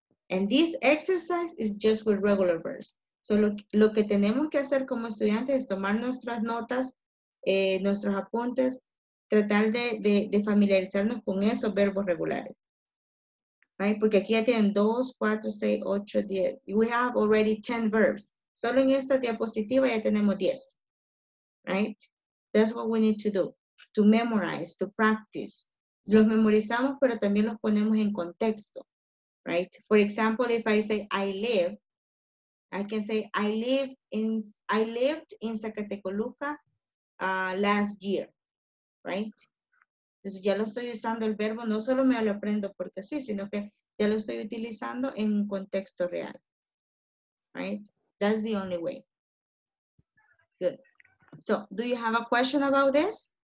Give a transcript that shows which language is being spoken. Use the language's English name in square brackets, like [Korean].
[English] And this exercise is just with regular verbs. [Spanish] So lo que tenemos que hacer como estudiantes es tomar nuestras notas, nuestros apuntes, tratar de familiarizarnos con esos verbos regulares. Right? Porque aquí ya tienen 2, 4, 6, 8, 10. We have already 10 verbs. Solo en esta diapositiva ya tenemos 10. Right? [English] That's what we need to do. To memorize, to practice. [Spanish] Los memorizamos, pero también los ponemos en contexto. [English] Right? For example, if I say I live, I can say I lived in Zacatecoluca last year. Right? [Spanish] Entonces ya lo estoy usando el verbo, no solo me lo aprendo porque sí, sino que ya lo estoy utilizando en un contexto real. [English] Right? That's the only way. Good. So, do you have a question about this?